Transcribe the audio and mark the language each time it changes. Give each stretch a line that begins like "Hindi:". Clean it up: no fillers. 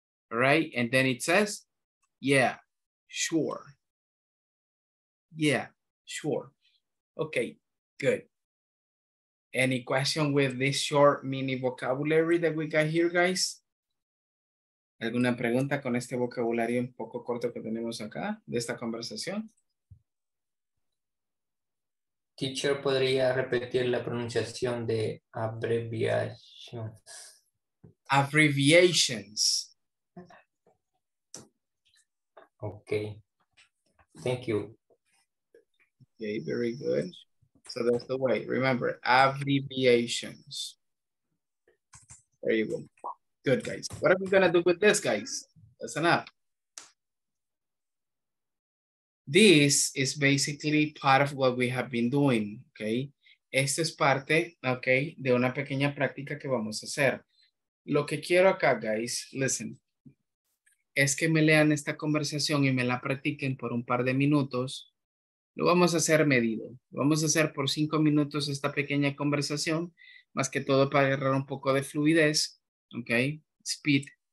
English: Right? And then it says, yeah, sure. Okay, good. Any question with this short mini vocabulary that we got here, guys?
Spanish: ¿Alguna pregunta con este vocabulario un poco corto que tenemos acá de esta conversación? Teacher, ¿podría repetir la pronunciación de abbreviations?
English: Abbreviations. Okay. Thank you. Okay, very good. So that's the way. Remember, abbreviations. There you go. Good, guys. What are we going to do with this, guys? Listen up. This is basically part of what we have been doing, okay?
Spanish: Esta es parte, okay, de una pequeña práctica que vamos a hacer. Lo que quiero acá, guys, listen, es que me lean esta conversación y me la practiquen por un par de minutos. Lo vamos a hacer medido. Vamos a hacer por 5 minutos esta pequeña conversación, más que todo para agarrar un poco de fluidez, okay, speed.